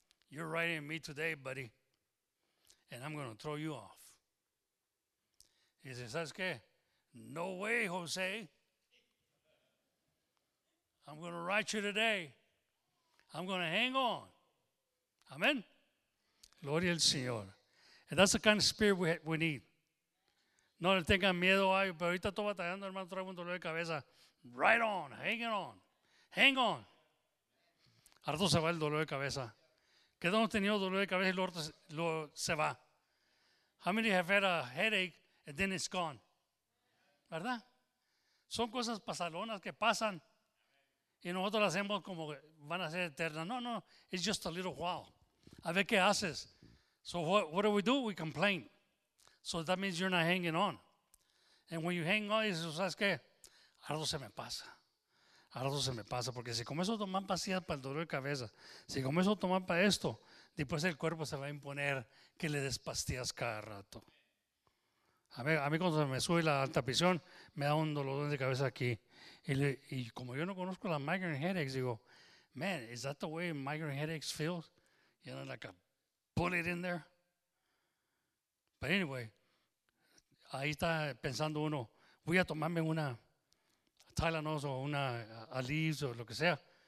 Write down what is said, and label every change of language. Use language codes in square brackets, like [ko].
[en] You're riding me today, buddy. And I'm going to throw you off. He says, [es] ¿sabes qué? [en] No way, Jose. I'm going to ride you today. I'm going to hang on. Amen. [es] Gloria al Señor. [en] And that's the kind of spirit we need. [es] No le tengan miedo, ay, pero ahorita estoy batallando, hermano, traigo un dolor de cabeza. [en] Right on, hanging on, hang on. [es] Harto se va el dolor de cabeza. ¿Qué hemos tenido dolor de cabeza y lo se va? [en] How many have had a headache and then it's gone? [es] ¿Verdad? Son cosas pasalonas que pasan y nosotros las hacemos como que van a ser eternas. [en] No, it's just a little while. [es] A ver qué haces. [en] So what do? We complain. So that means you're not hanging on. And when you hang on, he says, [es] ¿sabes qué? Algo se me pasa. Porque si comienzo a tomar pastillas para el dolor de cabeza, si comienzo a tomar para esto, después el cuerpo se va a imponer que le des pastillas cada rato. A mí cuando me sube la alta presión, me da un dolor de cabeza aquí. Y como yo no conozco la migraine headaches, digo, [en] man, is that the way migraine headaches feels? You know, like a bullet in there. But anyway, [es] ahí está pensando uno, voy a tomarme una Tylenol o una Aleve o lo que sea.